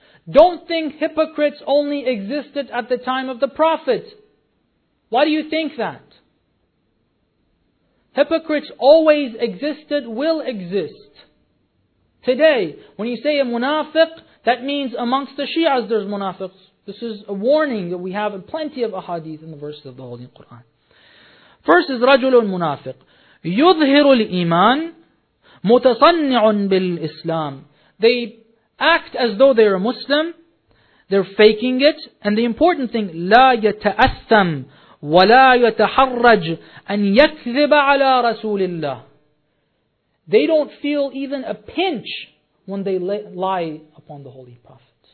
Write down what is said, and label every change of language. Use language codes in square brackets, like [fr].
[en] Don't think hypocrites only existed at the time of the Prophet. Why do you think that? Hypocrites always existed, will exist. Today, when you say a munafiq, that means amongst the Shias there's munafiqs. This is a warning that we have in plenty of ahadith in the verses of the Holy Quran. [ar] First is رَجُلٌ مُنَافِقٌ يُظْهِرُ الْإِيمَانِ مُتَصَنِّعٌ بِالْإِسْلَامِ [en] They act as though they're a Muslim. They're faking it. And the important thing, لَا يَتَأَثَّمْ وَلَا يَتَحَرَّجْ أَنْ يَكْذِبَ عَلَىٰ رَسُولِ اللَّهِ They don't feel even a pinch when they lie upon the Holy Prophet.